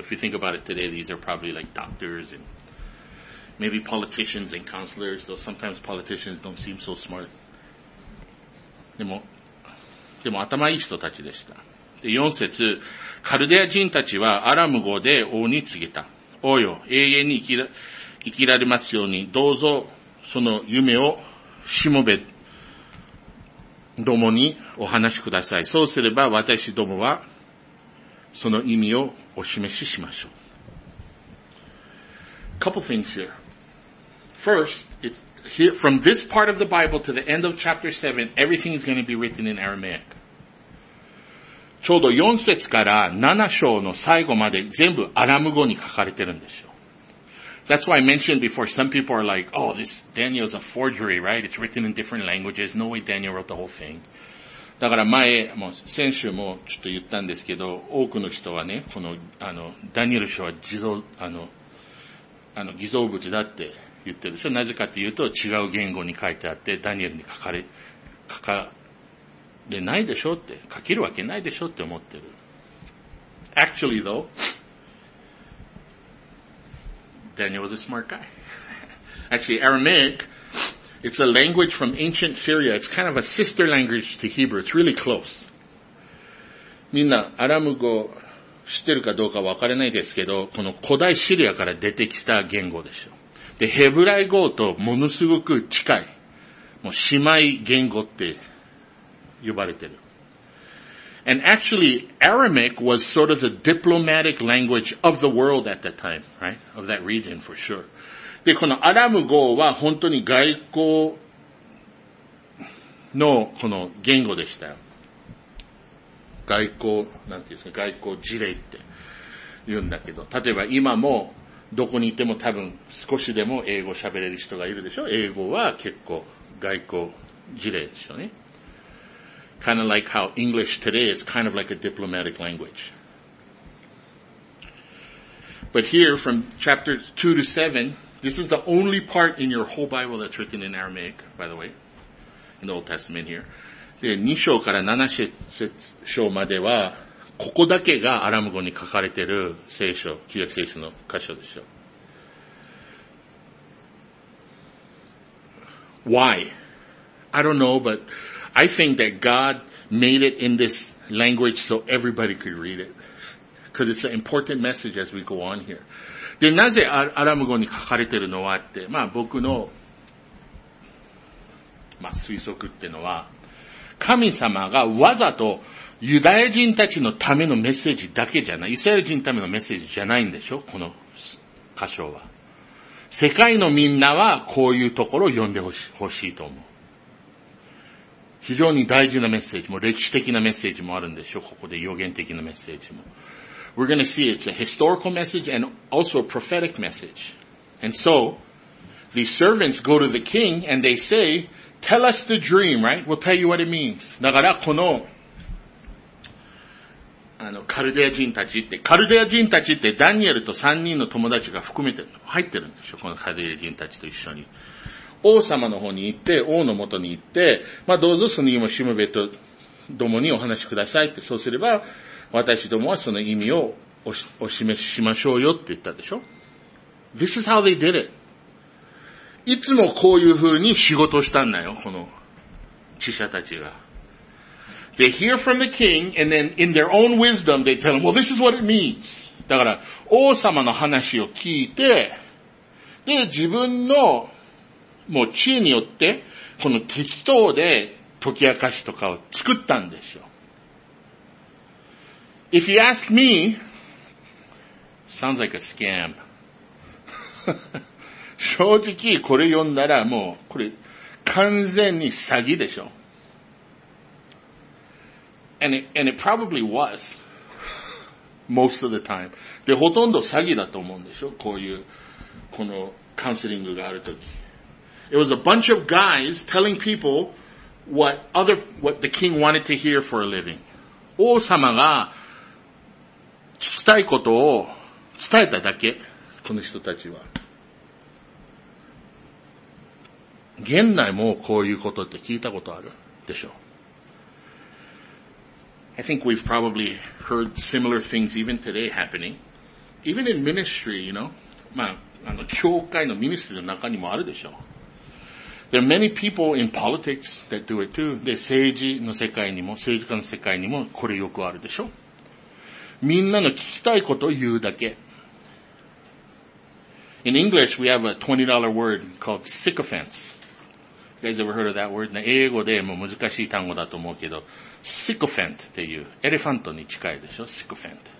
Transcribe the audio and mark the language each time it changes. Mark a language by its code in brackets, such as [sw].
[en] If you think about it today, these are probably like doctors and maybe politicians and counselors, though sometimes politicians don't seem so smart. [ja] でも頭いい人たちでした。で、4節、カルデア人たちはアラム語で王に告げた。王よ、永遠に生きられますように、どうぞ、その夢をしもべどもにお話しください。そうすれば私どもはその意味をお示ししましょう。 [en] Couple things here. First, it's here from this part of the Bible to the end of chapter 7, everything is going to be written in Aramaic. [ja] ちょうど4節から7章の最後まで全部アラム語に書かれてるんですよ。 [en] That's why I mentioned before, some people are like, oh, this Daniel's a forgery, right? It's written in different languages. No way Daniel wrote the whole thing. [ja] だから前、もう先週もちょっと言ったんですけど、多くの人はね、この、ダニエル書は偽造物だって言ってるでしょ。なぜかというと、違う言語に書いてあって、ダニエルに書かれないでしょって、書けるわけないでしょって思ってる。 [en] Actually though, Daniel was a smart guy. Actually, Aramaic, it's a language from ancient Syria. It's kind of a sister language to Hebrew. It's really close. [ja] みんな、アラム語知ってるかどうかわからないですけど、この古代シリアから出てきた言語でしょ。で、ヘブライ語とものすごく近い、もう姉妹言語って呼ばれてる。 [en] And actually, Aramaic was sort of the diplomatic language of the world at that time, right? Of that region, for sure. [ja] で、このアラム語は本当に外交のこの言語でしたよ。外交、なんていうんですか、外交事例って言うんだけど、例えば今もどこにいても多分少しでも英語喋れる人がいるでしょ。英語は結構外交事例でしょうね。 [en] Kind of like how English today is kind of like a diplomatic language. But here, from chapters 2 to 7, this is the only part in your whole Bible that's written in Aramaic, by the way, in the Old Testament here. [ja] で、2章から7章までは、ここだけがアラム語に書かれている聖書、旧約聖書の箇所ですよ。 [en] Why? I don't know, but I think that God made it in this language so everybody could read it. Because it's an important message as we go on here. [ja] で、なぜアラム語に書かれているのはって、まあ僕の、まあ推測っていうのは、神様がわざとユダヤ人たちのためのメッセージだけじゃない。イスラエル人のためのメッセージじゃないんでしょ、この箇所は。世界のみんなはこういうところを読んでほしいと思う。非常に大事なメッセージも、歴史的なメッセージもあるんでしょ、ここで予言的なメッセージも。 [en] We're gonna see it's a historical message and also a prophetic message. And so, the servants go to the king and they say, tell us the dream, right? We'll tell you what it means. [ja] だからこの、カルデア人たちって、カルデア人たちってダニエルと3人の友達が含めて入ってるんでしょ、このカルデア人たちと一緒に。王様の方に行って、王の元に行って、まあどうぞその家もしもべとどもにお話しくださいって、そうすれば、私どもはその意味をお示ししましょうよって言ったでしょ。 [en] This is how they did it. [ja] いつもこういう風に仕事したんだよ、この知者たちが。 [en] They hear from the king and then in their own wisdom they tell him, well this is what it means. [ja] だから王様の話を聞いて、で自分のもう知恵によってこの適当で解き明かしとかを作ったんですよ。 [en] If you ask me, sounds like a scam. [ja] 正直これ読んだらもうこれ完全に詐欺でしょ。 [en] And it probably was most of the time. [ja] で、ほとんど詐欺だと思うんでしょ。こういうこのカウンセリングがあるとき。 [en] It was a bunch of guys telling people what the king wanted to hear for a living. [ja] 王様が聞きたいことを伝えただけ、この人たちは。現代もこういうことって聞いたことあるでしょう。 [en] I think we've probably heard similar things even today happening. Even in ministry, you know. [ja] まあ、教会のミニストリーの中にもあるでしょう。 [en] There are many people in politics that do it too. [ja] で、政治の世界にも、政治家の世界にもこれよくあるでしょう。みんなの聞きたいことを言うだけ。 [en] In English, we have a $20 word called sycophants. You guys ever heard of that word? [ja] 英語でも難しい単語だと思うけど、sycophant っていう、エレファントに近いでしょ ?sycophant。